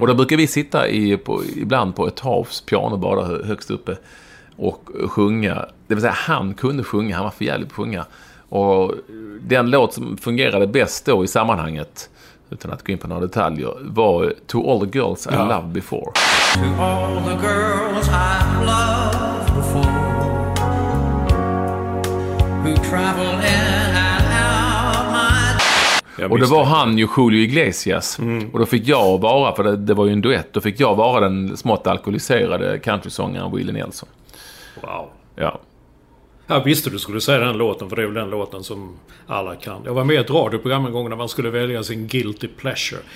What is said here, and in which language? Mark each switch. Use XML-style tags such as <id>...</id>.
<sv>Och då brukar vi sitta ibland på Etages piano bara högst uppe och sjunga, det vill säga han kunde sjunga, han var för jävligt att sjunga, och den låt som fungerade bäst då i sammanhanget, utan att gå in på några detaljer, var To All The Girls I Loved Before.</sv> <en>To all the girls I loved before, who traveled in and out of my...</en> <sv>Och det var han ju, Julio Iglesias. Mm. Och då fick jag vara, för det var ju en duett, då fick jag vara den smått alkoholiserade countrysångaren Willie Nelson. Wow. Ja. Jag visste du skulle säga den låten, för det är väl den låten som alla kan. Jag var med i ett radioprogram en gång när man skulle välja sin guilty pleasure.</sv>